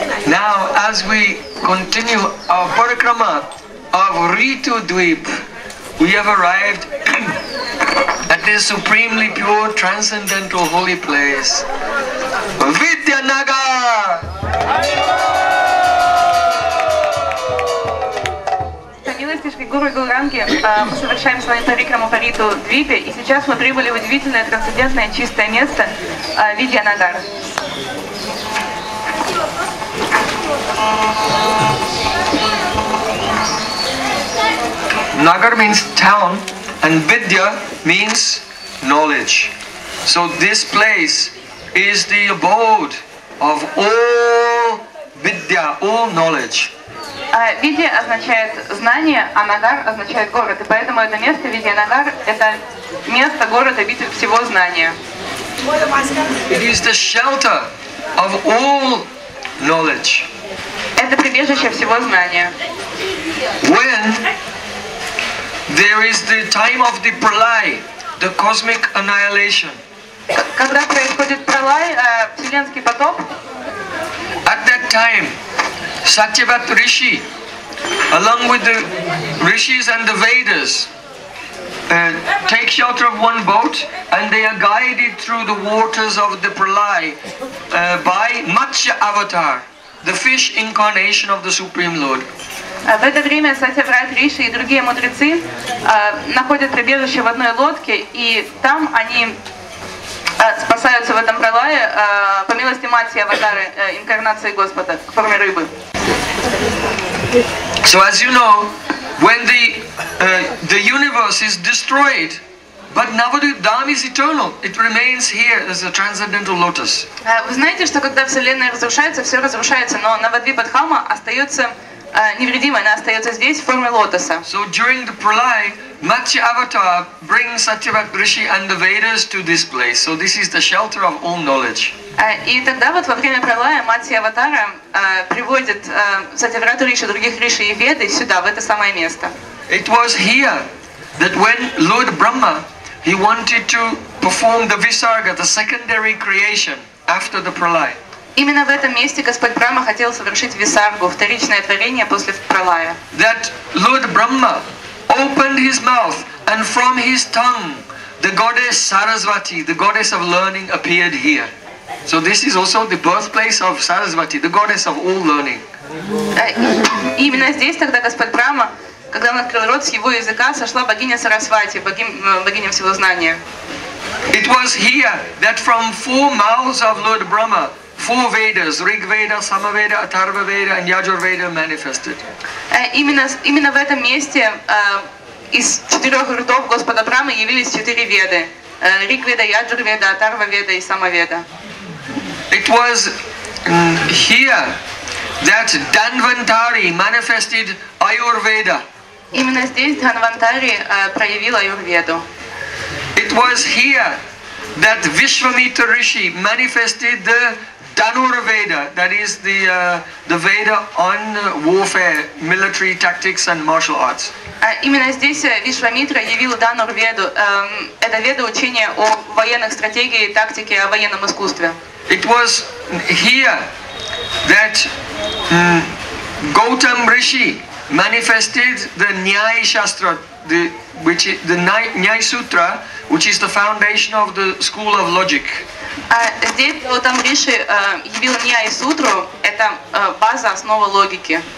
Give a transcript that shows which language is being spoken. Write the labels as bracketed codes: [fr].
[en] Now, as we continue our parikrama of Ritu Dweep, we have arrived at this supremely pure, transcendental, holy place, Vidyanagar! [ru] Мы совершаем с вами парикраму по Риту Двипе, и сейчас мы прибыли в удивительное, трансцендентное, чистое место Видьянагар. [en] Nagar means town, and Vidya means knowledge. So this place is the abode of all Vidya, all knowledge. [ru] Видья означает знание, а Нагар означает город. И поэтому это место, Видья Нагар, это место, город, обитель всего знания. [en] It is the shelter of all knowledge. [ru] Это прибежище всего знания. [en] When there is the time of the pralay, the cosmic annihilation. [ru] Когда происходит пралай, вселенский потоп. [en] At that time, Satyavrata Rishi, along with the Rishis and the Vedas, take shelter of one boat, and they are guided through the waters of the pralay by Matsya Avatar, the fish incarnation of the Supreme Lord. [ru] В это время Сатьяврат Риши и другие мудрецы находят прибежище в одной лодке, и там они спасаются в этом пролае по милости Матсьи Аватары, инкарнации Господа, в форме рыбы. [en] So as you know, when the universe is destroyed, but Navadvip Dham is eternal, it remains here as a transcendental lotus. [ru] Вы знаете, что когда Вселенная разрушается, все разрушается, но Навадвипа Дхама остается невредимой, она остается здесь в форме лотоса. [en] So during the pralay, Matsya Avatar brings Satyavrata Rishi and the Vedas to this place. So this is the shelter of all knowledge. [ru] И тогда вот во время пролая Матсья Аватара приводит Сатьяврата Риши, других Риши и Веды сюда, в это самое место. [en] It was here that when Lord Brahma, he wanted to perform the Visarga, the secondary creation, after the pralay. [ru] Именно в этом месте Господь Брахма хотел совершить Висаргу, вторичное творение после пролая. [en] That Lord Brahma opened his mouth, and from his tongue the goddess Sarasvati, the goddess of learning, appeared here. So this is also the birthplace of Sarasvati, the goddess of all learning. [ru] Именно здесь тогда Господь Брахма, когда он открыл рот, с его языка сошла богиня Сарасвати, богиня всего знания. [en] It was here that from four mouths of Lord Brahma, four Vedas, Rig Veda, Sama Veda, Atharva Veda, and Yajur Veda manifested. [ru] Именно в этом месте из четырех ртов Господа Брахмы явились четыре Веды. Риг Веда, Яджур Веда, Атарва Веда и Сама Веда. [en] It was here that Dhanvantari manifested Ayurveda. [ru] Именно здесь Dhanvantari проявил Ayurveda. [en] It was here that Vishwamitra Rishi manifested the Dhanurveda, that is the Veda on warfare, military tactics and martial arts. [ru] Именно здесь Вишвамитра явил Дханурведу. Это веда учения о военных стратегиях, тактике, о военном искусстве. [en] It was here that Gautam Rishi manifested the Nyaya Shastra, Nyaya Sutra, which is the foundation of the school of logic. [ru] Здесь Gautam Rishi явил Nyaya Sutra, это база, основа логики.